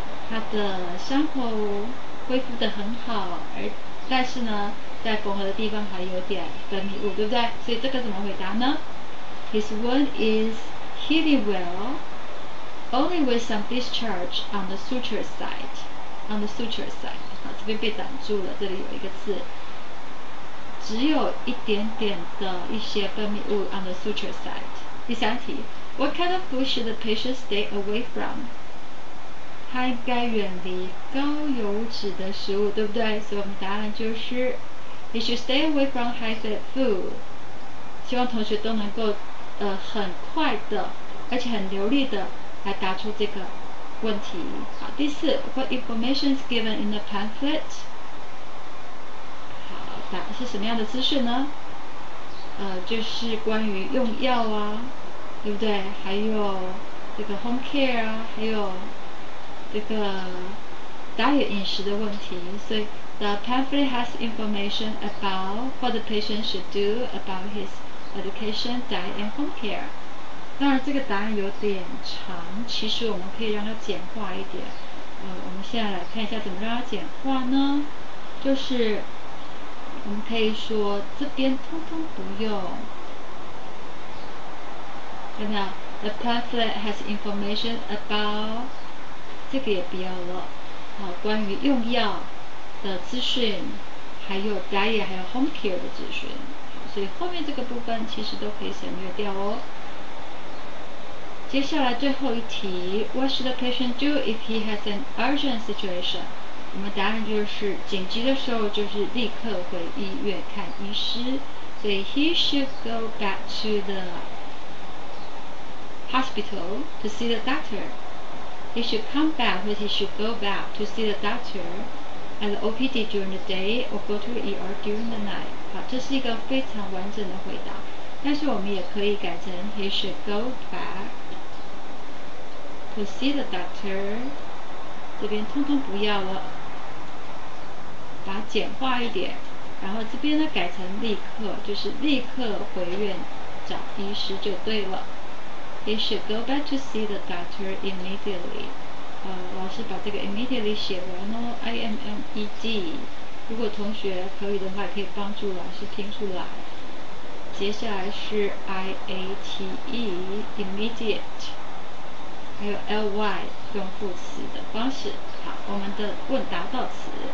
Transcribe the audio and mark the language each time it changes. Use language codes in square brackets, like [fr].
[zh] 他的伤口恢复得很好，但是呢，在缝合的地方还有点分泌物，对不对？所以这个怎么回答呢？ [en] His wound is healing well, only with some discharge on the suture side. On the suture side. [zh] 好，这边被挡住了，这里有一个字，只有一点点的一些分泌物 [en] on the suture side. [zh] 第三题， [en] What kind of food should the patient stay away from? [zh] 他应该远离高油脂的食物，对不对？所以我们答案就是 [en] He should stay away from high fat food. [zh] 希望同学都能够很快的而且很流利的来答出这个问题。好，第四， [en] What information is given in the pamphlet? [zh] 好，答是什么样的资讯呢？就是关于用药啊，对不对？还有这个 home care 啊，还有这个 diet 饮食的问题，所以 [en] the pamphlet has information about what the patient should do about his education, diet, and home care. [zh] 当然，这个答案有点长，其实我们可以让它简化一点。我们现在来看一下怎么让它简化呢？就是我们可以说这边通通不用，看到 [en] the pamphlet has information about. [zh] 这个也不要了，好，关于用药的资讯，还有 diet 还有 home care 的资讯，所以后面这个部分其实都可以省略掉哦。接下来最后一题， [en] What should the patient do if he has an urgent situation? [zh] 我们答案就是紧急的时候就是立刻回医院看医师，所以 [en] he should go back to the hospital to see the doctor. He should come back, or he should go back to see the doctor at the OPD during the day or go to the ER during the night. [zh] 好，这是一个非常完整的回答。但是我们也可以改成 [en] He should go back to see the doctor. [zh] 这边通通不要了，把它简化一点。然后这边呢改成立刻，就是立刻回院找医师就对了。 [en] He should go back to see the doctor immediately. [zh] 老师把这个 immediately 写完哦 ,I-M-M-E-D. 如果同学可以的话可以帮助老师拼出来。接下来是 I-A-T-E, immediate. 还有 L-Y, 用副词的方式。好，我们的问答到此。